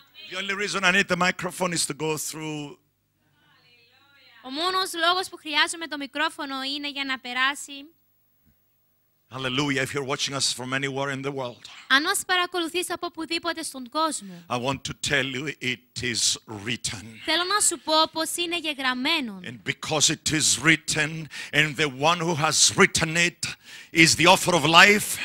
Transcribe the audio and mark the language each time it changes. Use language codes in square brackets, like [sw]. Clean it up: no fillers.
[en] The only reason I need the microphone is to go through. [el] Ο μόνος λόγος που χρειάζομαι το μικρόφωνο είναι για να περάσει. [en] Hallelujah, if you're watching us from anywhere in the world. [el] Αν μας παρακολουθείς από οπουδήποτε στον κόσμο. [en] I want to tell you it is written. [el] Θέλω να σου πω πως είναι γεγραμμένο. [en] And because it is written and the one who has written it is the author of life.